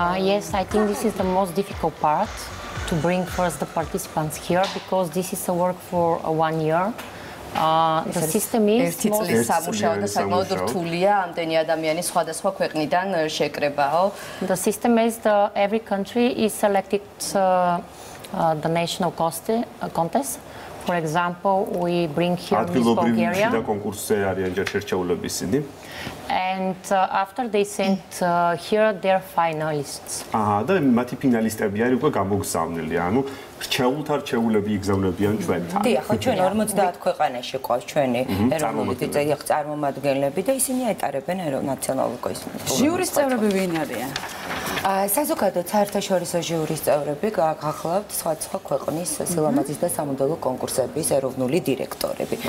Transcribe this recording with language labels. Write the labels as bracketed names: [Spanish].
[English] Yes, I think this is the most difficult part to bring first the participants here because this is a work for 1 year. The system is [Georgian] ერთი წლის სამუშაო და საკმაოდ რთულია ამდენი ადამიანის სხვადასხვა ქვეყნიდან შეკრებაო. [English] The system is that every country is selected the national contest. For example, we bring here Miss Bulgaria. [Georgian] და კონკურსზე არიან შერჩეულები ისინი. [English] And after they sent here their finalists. [Georgian] აჰა, და მათი ფინალისტები არის უკვე გამოგზავნილი, ანუ რჩეულთა რჩეულები იგზავნებიან ჩვენთან. დიახ, ხო, ჩვენ 50 ქვეყანაში ყავს ჩვენი ეროვნული წარმომადგენლები და ისინი ეტარებენ ეროვნულ კონკურსს. ჟიურის წევრები ვინ არიან? საზოგადოდ საერთაშორისო ჟიურის წევრები გახლავთ სხვადასხვა ქვეყნის სილამაზის და სამოდელო კონკურსების ეროვნული დირექტორები.